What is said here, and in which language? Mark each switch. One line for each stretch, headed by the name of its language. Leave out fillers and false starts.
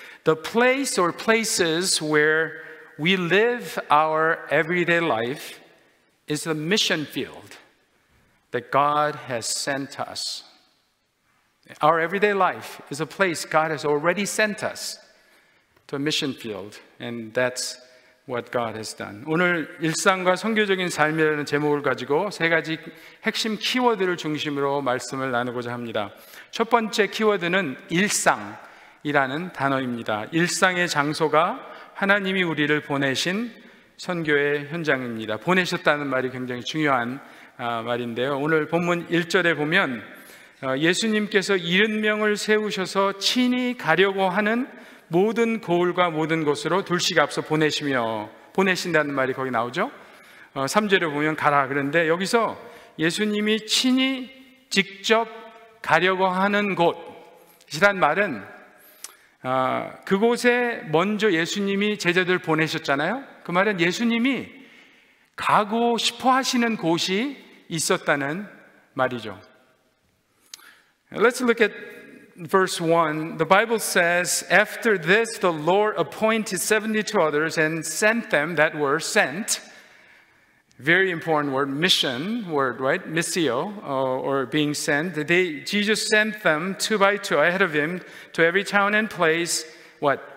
English: The place or places where we live our everyday life is the mission field that God has sent us. Our everyday life is a place God has already sent us to a mission field, and that's what God has done.
Korean: 오늘 일상과 선교적인 삶이라는 제목을 가지고 세 가지 핵심 키워드를 중심으로 말씀을 나누고자 합니다. 첫 번째 키워드는 일상. 이라는 단어입니다. 일상의 장소가 하나님이 우리를 보내신 선교의 현장입니다. 보내셨다는 말이 굉장히 중요한 말인데요. 오늘 본문 1절에 보면 예수님께서 70명을 세우셔서 친히 가려고 하는 모든 고을과 모든 곳으로 둘씩 앞서 보내시며 보내신다는 말이 거기 나오죠. 3절에 보면 가라 그런데 여기서 예수님이 친히 직접 가려고 하는 곳이란 말은 그곳에 먼저 예수님이 제자들 보내셨잖아요. 그 말은 예수님이 가고 싶어 하시는 곳이 있었다는 말이죠.
English: Let's look at verse 1. The Bible says, After this, the Lord appointed 72 others and sent them that were sent. Very important word, mission word, right? Missio, or being sent. Jesus sent them two by two ahead of him to every town and place, what?